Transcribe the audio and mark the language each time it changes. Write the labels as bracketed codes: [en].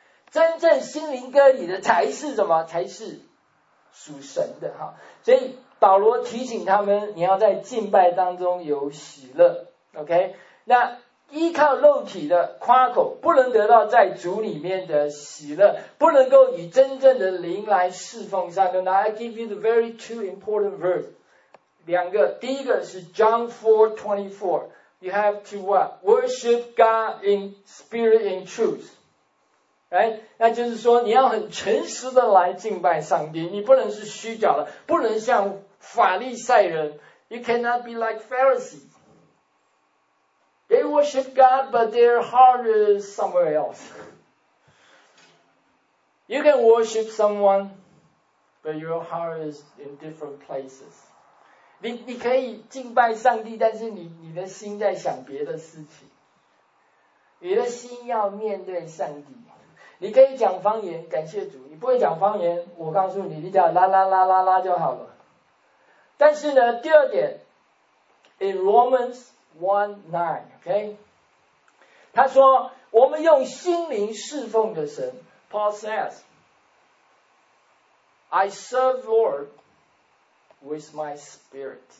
[zh] 真正心灵割礼的才是什么？才是属神的。所以保罗提醒他们，你要在敬拜当中有喜乐。 OK， 那依靠肉体的夸口不能得到在主里面的喜乐，不能够以真正的灵来侍奉上帝。 [en] Now I give you the very two important verse， [zh] 两个。第一个是 [en] John 4:24， You have to what? Worship God in spirit and truth、right? [zh] 那就是说你要很诚实的来敬拜上帝，你不能是虚假的，不能像法利赛人。 [en] You cannot be like Pharisees。 They worship God, but their heart is somewhere else. You can worship someone, but your heart is in different places. [zh] 你可以敬拜上帝，但是你的心在想别的事情。你的心要面对上帝。你可以讲方言，感谢主。你不会讲方言，我告诉你，你只要啦啦啦啦啦就好了。但是呢，第二点 ， [en] in Romans 1:9 [zh] ，OK， 他说我们用心灵侍奉的神 ， [en] Paul says， I serve Lord with my spirit。